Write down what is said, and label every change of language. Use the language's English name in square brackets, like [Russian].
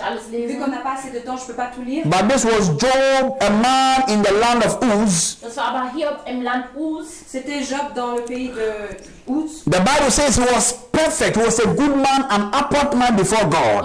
[French] Vu qu'on n'a pas assez de temps, je peux pas tout lire. [English] But this was Job, a man in the land of Uz. [French] C'était Job dans le pays de Uz. [English] The Bible says he was perfect. He was a good man, an upright man before God.